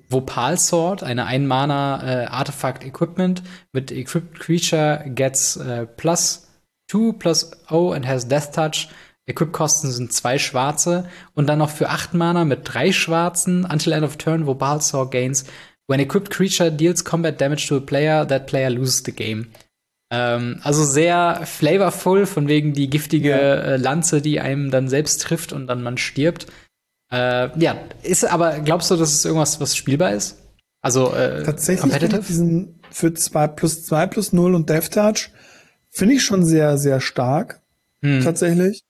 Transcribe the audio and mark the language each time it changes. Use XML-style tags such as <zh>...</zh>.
<de>Vopal Sword, eine Ein-Mana-Artefakt-Equipment mit</de> <en>Equipped Creature gets plus 2 plus 0 and has Death Touch.</en> <de>Equip-Kosten sind 2 schwarze. Und dann noch für 8 Mana mit 3 schwarzen</de> <en>until end of turn, Vopal Sword gains. When equipped creature deals combat damage to a player, that player loses the game.</en> <de>Also sehr flavorvoll, von wegen die Ja. giftige Lanze, die einem dann selbst trifft und dann man stirbt. Ja, ist aber, glaubst du, dass es irgendwas, was spielbar ist? Also Tatsächlich finde ich</de> <en>competitive?</en> <de>diesen für 2 plus 0 und Death Touch finde ich schon sehr, sehr stark. Tatsächlich.</de>